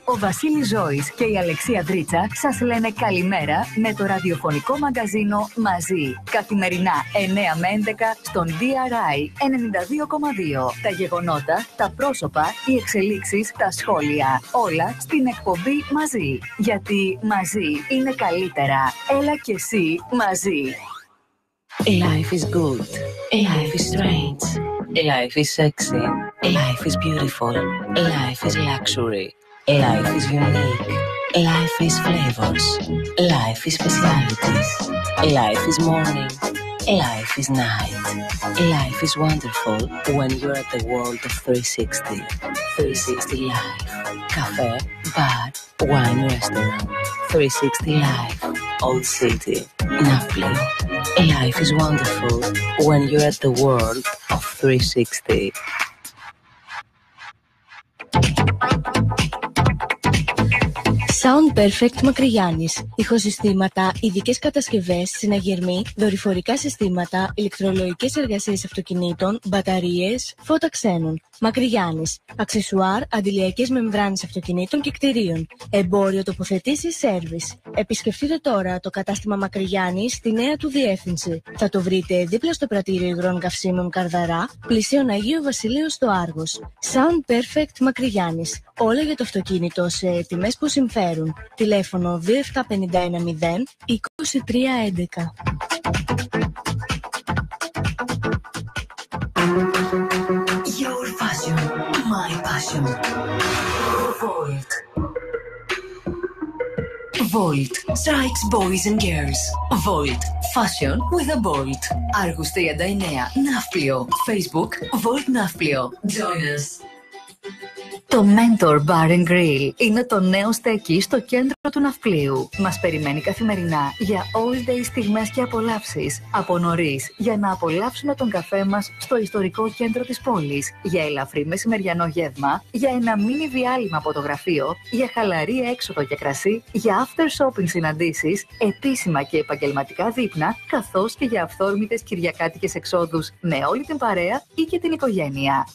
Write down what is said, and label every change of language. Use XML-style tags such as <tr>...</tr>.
<el>Ο Βασίλης Ζώης και η Αλεξία Δρίτσα σας λένε καλημέρα με το ραδιοφωνικό μαγκαζίνο μαζί. Καθημερινά 9 με 11 στον DRI 92,2. Τα γεγονότα, τα πρόσωπα, οι εξελίξεις, τα σχόλια. Όλα στην εκπομπή μαζί. Γιατί μαζί είναι καλύτερα. Έλα και εσύ μαζί.</el> <en>A life is good. A life is strange. A life is sexy. A life is beautiful. A life is luxury. A life is unique. A life is flavors. A life is specialities. A life is morning. A life is night. A life is wonderful when you're at the world of 360. 360 Life. Cafe, bar, wine, restaurant. 360 Life. Old City. Napoli. A life is wonderful when you're at the world of 360.</en> <el>Sound Perfect Μακρυγιάννης. Ηχοσυστήματα, ειδικές κατασκευές, συναγερμοί, δορυφορικά συστήματα, ηλεκτρολογικές εργασίες αυτοκινήτων, μπαταρίες, φώτα ξένων. Μακρυγιάννης. Αξεσουάρ, αντιλιακές μεμβράνες αυτοκινήτων και κτηρίων. Εμπόριο τοποθετήσεις σέρβις. Επισκεφτείτε τώρα το κατάστημα Μακρυγιάννης στη νέα του διεύθυνση. Θα το βρείτε δίπλα στο πρατήριο υγρών καυσίμων Καρδαρά, πλησίον Αγίου Βασιλείου στο Άργος. Sound Perfect Μακρυγιάννης. Όλα για το αυτοκίνητο σε τιμές που συμφέρουν. Τηλέφωνο 27510-2311.</el> <en>Your passion, my passion. Volt. Volt strikes boys and girls. Volt. Fashion with a Volt.</en> <el>Άργους 39, Ναύπλιο. Facebook, Volt Ναύπλιο.</el> <en>Join us.</en> <el>Το Mentor Bar and Grill είναι το νέο στέκι στο κέντρο του Ναυπλίου. Μας περιμένει καθημερινά για all day στιγμές και απολαύσεις. Από νωρίς, για να απολαύσουμε τον καφέ μας στο ιστορικό κέντρο της πόλης. Για ελαφρύ μεσημεριανό γεύμα, για ένα μίνι διάλειμμα από το γραφείο, για χαλαρή έξοδο και κρασί, για after shopping συναντήσεις, επίσημα και επαγγελματικά δείπνα, καθώς και για αυθόρμητες κυριακάτικες εξόδους με όλη την παρέα ή και την οικογένεια.</el>